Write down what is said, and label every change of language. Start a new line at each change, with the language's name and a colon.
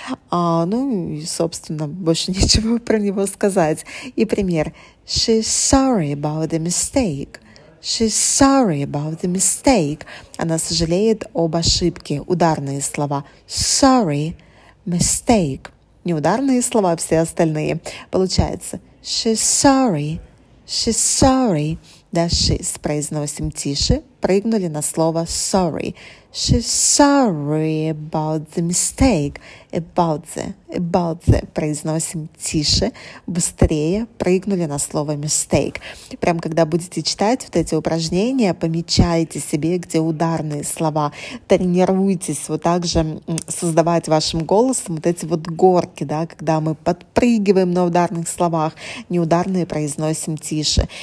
Russian: Ну и, собственно, больше ничего про него сказать. И пример.
English: She's sorry about the mistake. She's sorry about the mistake.
Russian: Она сожалеет об ошибке. Ударные слова. Sorry, mistake. Неударные слова, все остальные. Получается.
English: She's sorry. She's sorry.
Russian: Да, she's произносим тише. Прыгнули на слово sorry.
English: She's sorry about the mistake. About the.
Russian: Произносим тише, быстрее. Прыгнули на слово mistake. Прям когда будете читать вот эти упражнения, помечайте себе, где ударные слова. Тренируйтесь вот так же создавать вашим голосом вот эти вот горки, да, когда мы подпрыгиваем на ударных словах, неударные произносим тише.